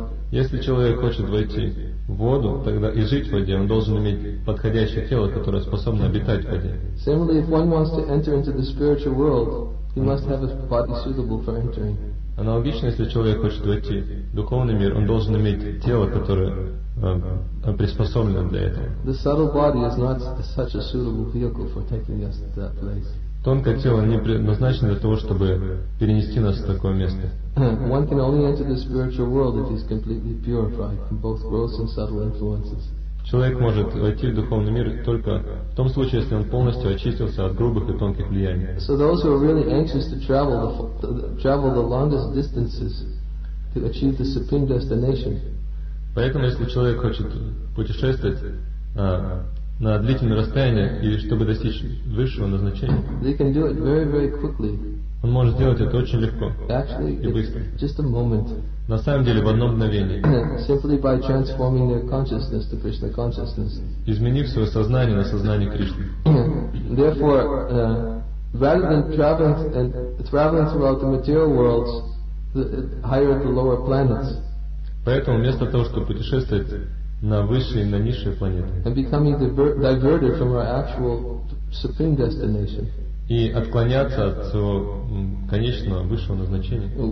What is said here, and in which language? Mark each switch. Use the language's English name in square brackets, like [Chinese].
[Russian] Если человек хочет войти в воду тогда и жить в воде, он должен иметь подходящее тело, которое способно обитать в воде. [English] Similarly, if one wants to enter into the spiritual world, he must have a body suitable for entering. [Russian] Аналогично, если человек хочет войти в духовный мир, он должен иметь тело, которое приспособлено для этого. [English] The subtle body is not such a suitable vehicle for taking us to that place. [Russian] Тонкое тело не предназначено для того, чтобы перенести нас в такое место. [English] One can only enter the spiritual world if he's completely purified from both gross and subtle influences. [Russian] Человек может войти в духовный мир только в том случае, если он полностью очистился от грубых и тонких влияний. [English] So those who are really anxious to travel the longest distances to achieve the supreme destination. [Russian] Поэтому, если человек хочет путешествовать на длительное расстояние и чтобы достичь высшего назначения, [English] they can do it very, very quickly. [Russian] Он может сделать это очень легко [English] actually, [Russian] и быстро. [English] Just a moment. [Russian] На самом деле, в одно мгновение. [English] Simply by transforming their consciousness to Krishna consciousness. [Russian] Изменив свое сознание на сознание Кришны. [English] Therefore, rather than traveling throughout the material worlds, higher the lower planets. [Russian] Поэтому вместо того, чтобы путешествовать на высшие и на низшие планеты. [English] And becoming diverted from our actual supreme destination. [Russian] И отклоняться от своего конечного высшего назначения.